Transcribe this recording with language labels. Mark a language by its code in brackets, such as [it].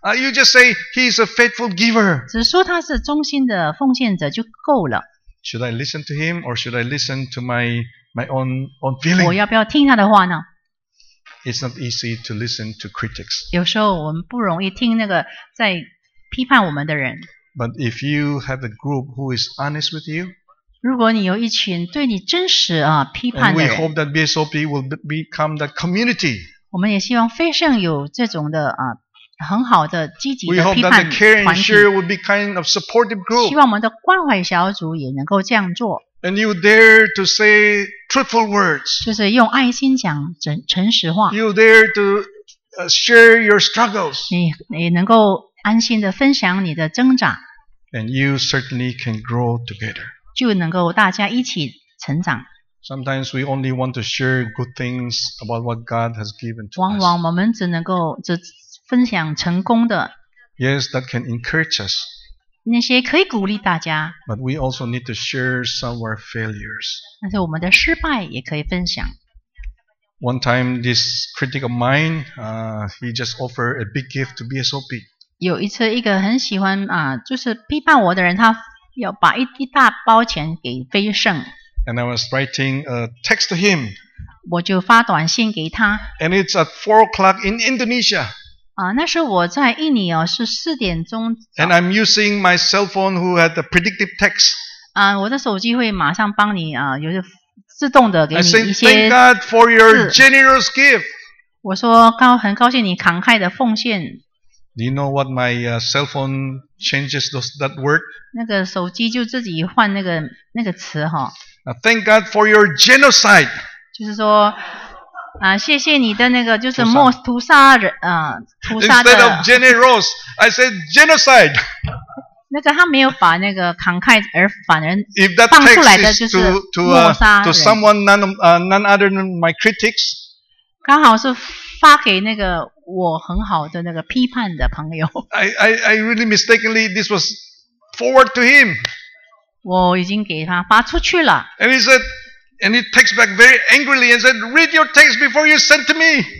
[en] You just say he is a faithful giver. [zh] 只说他是忠心的奉献者就够了。 [en] Should I listen to him or should I listen to my own feeling? [zh] 我要不要听他的话呢？ [en] It's not easy to listen to critics. [zh] 有时候我们不容易听那个在批判我们的人。 [en] But if you have a group who is honest with you, [zh] 如果你有一群对你真实批判的人， [en] and we hope that BSOP will become that community. [zh] 我们也希望非圣有这种的很好的积极的批判 [en] 团体。We hope that the care and share will be kind of supportive group. [zh] 希望我们的关怀小组也能够这样做。 [en] And you dare to say truthful words. [zh] 就是用爱心讲诚实话。 [en] You dare to share your struggles. [zh] 你能够安心的分享你的挣扎， [en] and you certainly can grow together. [zh] 就能够大家一起成长。 [en] Sometimes we only want to share good things about what God has given to us. [zh] 往往我们只能够只分享成功的。 [en] Yes, that can encourage us. [zh] 那些可以鼓励大家。 [en] But we also need to share some of our failures. [zh] 但是我们的失败也可以分享。 [en] One time, this critic of mine, he just offered a big gift to BSOP. [zh] 有一次，一个很喜欢就是批判我的人，他要把一大包钱给飞圣。 [en] And I was writing a text to him. [zh] 我就发短信给他。 [en] And it's at 4 o'clock in Indonesia. [zh] 那时候我在印尼是4点钟。 [en] And I'm using my cell phone who had the predictive text. [zh] 我的手机会马上帮你有些自动的给你一些字。 [en] I said, thank God for your generous gift. [zh] 我说很高兴你慷慨的奉献。 [en] Do you know what my cell phone changes that word? [zh] 那个手机就自己换那个词哈。 [en] Thank God for your genocide. [zh] 就是说谢谢你的那个就是末屠杀人屠杀的。 [en] Instead of generous, I said genocide. [zh] 那个他没有把那个慷慨而反人放出来的就是 [en] 屠杀人。To someone none other than my critics. [zh] 刚好是发给那个我很好的那个批判的朋友。 [en] I really mistakenly this was forward to him. [zh] 我已经给他发出去了。 [en] And he texts back very angrily and said, "Read your text before you send to me."